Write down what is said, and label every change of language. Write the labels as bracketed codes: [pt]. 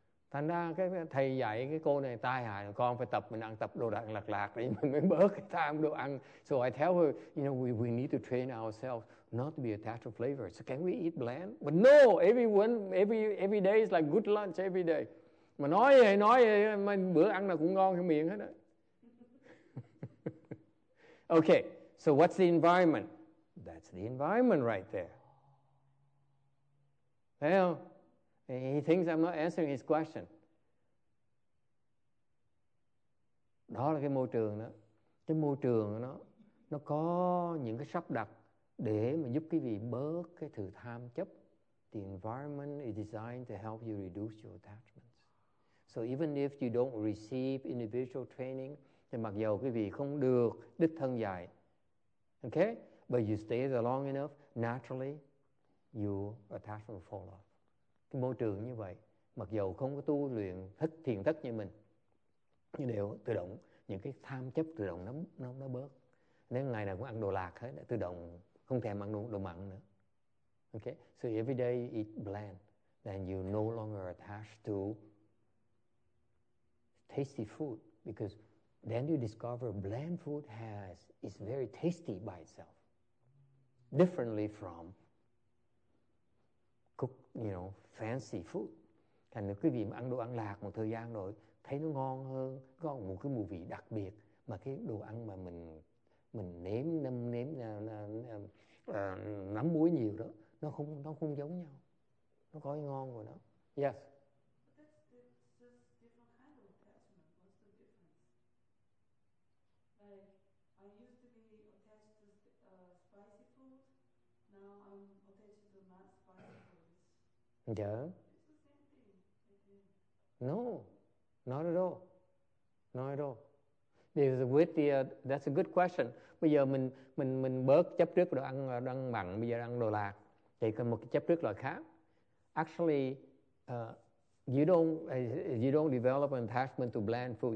[vi] Thành ra cái thầy dạy cái cô này tai hại, con phải tập mình ăn tập đồ ăn lạc lạc để mình mới bớt cái tham đồ ăn. [en] So I tell her, you know, we need to train ourselves not to be attached to flavor. So can we eat bland? But no, every day is like good lunch every day. [vi] Mà nói vậy, mà bữa ăn nào cũng ngon trong miệng hết á. [en] Okay, so what's the environment? That's the environment right there. [vi] Thấy không? [en] He thinks I'm not answering his question. [vi] Đó là cái môi trường đó. Cái môi trường đó, nó có những cái sắp đặt để mà giúp quý vị bớt cái thử tham chấp. [en] The environment is designed to help you reduce your attachments. So even if you don't receive individual training, [vi] thì mặc dầu quý vị không được đích thân dạy, okay? [en] But you stay there long enough, naturally, your attachment will fall off. [vi] Cái môi trường như vậy, mặc dầu không có tu luyện thích thiền thất như mình, nhưng đều tự động, những cái tham chấp tự động nó bớt. Nếu ngày nào cũng ăn đồ lạc hết, tự động không thèm ăn đồ mặn nữa. [en] Okay? So every day you eat bland, then you no longer attach to tasty food, because then you discover bland food is very tasty by itself. Differently from cooked, you know, fancy food. [vi] Thành ra quý vị mà ăn đồ ăn lạc một thời gian rồi, thấy nó ngon hơn, có một cái mùi vị đặc biệt. Mà cái đồ ăn mà mình nấm muối nhiều đó, nó không giống nhau. Nó có cái ngon của nó. Yes. [en] Yeah. No, not at all. Because that's a good question. [vi] Bây giờ mình bớt chấp trước đồ ăn, đồ ăn mặn, bây giờ ăn đồ lạc, thì còn một chấp trước loại khác. [en] Actually, you don't develop an attachment to bland food.